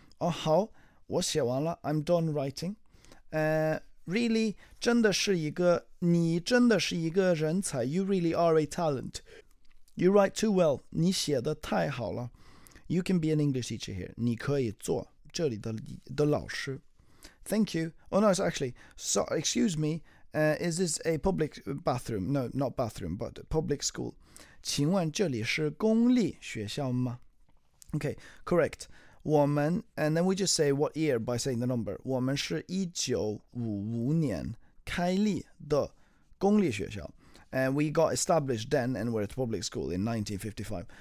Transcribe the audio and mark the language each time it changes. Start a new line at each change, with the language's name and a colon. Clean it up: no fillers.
Chinese: 哦，好，我写完了
English: I'm done writing. Really,
Chinese: 真的是一个，你真的是一个人才
English: You really are a talent. You write too well.
Chinese: 你写的太好了。
English: You can be an English teacher here.
Chinese: 你可以做这里的老师。
English: Thank you. Oh no, it's actually, so, excuse me, is this a public bathroom? No, not bathroom, but public school.
Chinese: 请问这里是公立学校吗?
English: Okay, correct.
Chinese: 我们,
English: and then we just say what year by saying the number.
Chinese: 我们是1955年开立的公立学校.
English: And we got established then and we're at public school in 1955.